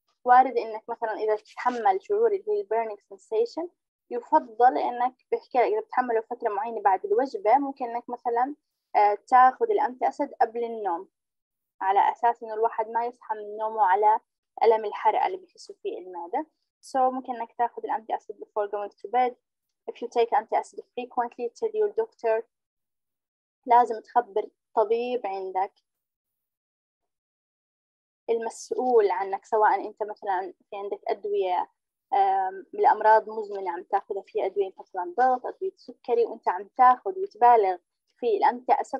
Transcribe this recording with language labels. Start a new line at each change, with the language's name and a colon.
Arabic: وارد انك مثلا اذا بتتحمل شعور اللي هي البيرنينج سنسيشن، يفضل انك بحكي لك اذا بتحمله فتره معينه بعد الوجبه، ممكن انك مثلا تاخذ الانتي اسيد قبل النوم، على اساس انه الواحد ما يصحى من نومه على الم الحرقه اللي بحسه في المعده. سو ممكن انك تاخذ الانتي اسيد
English: before going to bed. If you take anti acid frequently, tell your doctor.
Arabic: لازم تخبر طبيب عندك المسؤول عنك، سواء انت مثلا في عندك ادويه من الامراض المزمنه عم تاخذها، في ادويه مثلا ضغط، ادويه سكري، وانت عم تاخذ وتبالغ في الانتي اسيد.